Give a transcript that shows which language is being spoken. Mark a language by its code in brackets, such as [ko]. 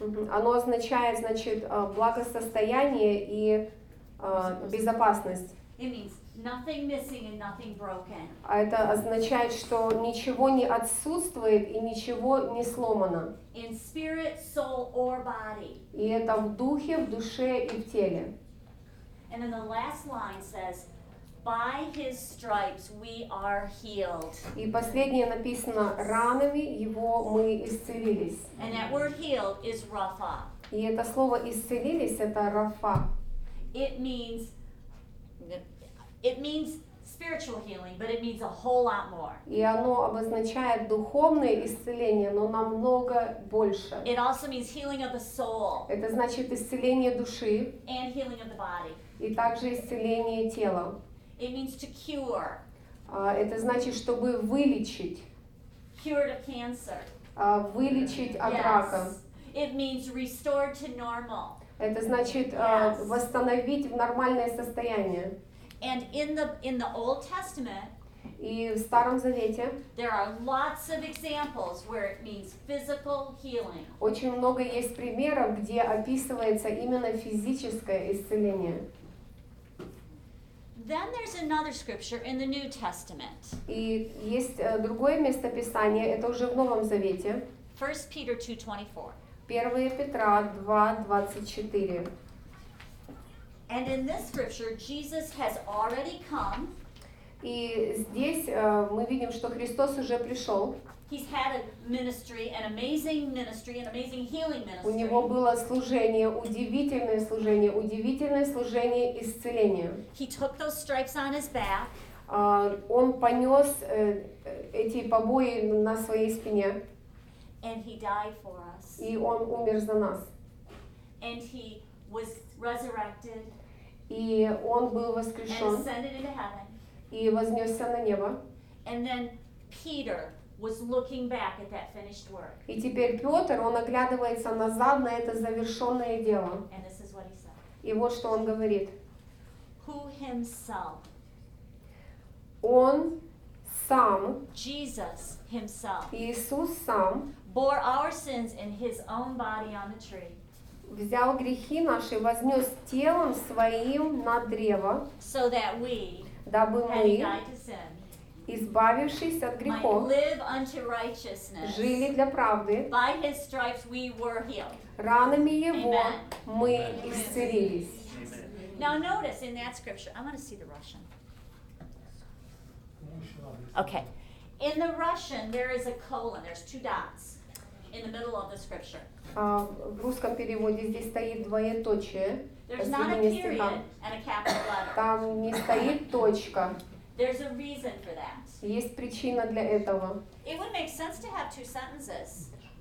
[ru] Оно означает, значит, благосостояние и безопасность. [en] It means nothing missing and nothing broken. [ru] А это означает, что ничего не отсутствует и ничего не сломано. [en] In spirit, soul, or body. [ru] И это в духе, в душе и в теле. [en] And then the last line says, by his stripes we are healed. [ru] И последнее написано, ранами его мы исцелились. [en] And that word healed is rapha. [ru] И это слово исцелились, это рафа. [en] It means spiritual healing, but it means a whole lot more. [ru] И оно обозначает духовное исцеление, но намного больше. [en] It also means healing of the soul. [ru] Это значит исцеление души. [en] And healing of the body. [ru] И также исцеление тела. [en] It means to cure. [ru] Это значит, чтобы вылечить. [en] Cured of cancer. [ru] Вылечить от [en] yes. [ru] рака. [en] It means restored to normal. [ru] Это значит [en] yes. [ru] Восстановить в нормальное состояние. [en] And in the Old Testament. [ru] И в Старом Завете. [en] There are lots of examples where it means physical healing. [ru] Очень много есть примеров, где описывается именно физическое исцеление. [en] Then there's another scripture in the New Testament. [ru] И есть другое местописание, это уже в Новом Завете. [en] 1 Peter 2:24. [ru] 1 Петра 2:24. [en] And in this scripture Jesus has already come. [ru] И здесь мы видим, что Христос уже пришёл. [en] He's had a ministry, an amazing ministry, an amazing healing ministry. [ru] У него было служение, удивительное служение, удивительное служение исцеления. [en] He took those stripes on his back. [ru] Он понёс эти побои на своей спине. [en] And he died for us. [ru] И он умер за нас. [en] And he was resurrected. [ru] И он был воскрешён. [en] And ascended into heaven. [ru] И вознёсся на небо. [en] And then Peter was looking back at that finished work. [ru] И теперь Пётр, он оглядывается назад на это завершённое дело. [en] And this is what he said. [ru] И вот что он говорит. [en] Who himself? [ru] Он сам. [en] Jesus himself. [ru] Иисус сам. [en] Bore our sins in his own body on the tree. [ru] Взял грехи наши, вознёс телом своим на древо. [en] So that we, [ru] дабы мы, [en] having died to sin, [ru] избавившись от грехов, [en] might live unto righteousness. [ru] Жили для правды. [en] By his stripes we were healed. [ru] Ранами его мы исцелились. [en] Amen. Now notice in that scripture, I'm going to see the Russian. Okay. In the Russian there is a colon, there's two dots in the middle of the scripture. [ru] В русском переводе здесь стоит двоеточие. [en] There's not a period and a capital letter. [ru] Там не стоит точка. [en] There's a reason for that. [ru] Есть причина для этого. [en] It would make sense to have two sentences.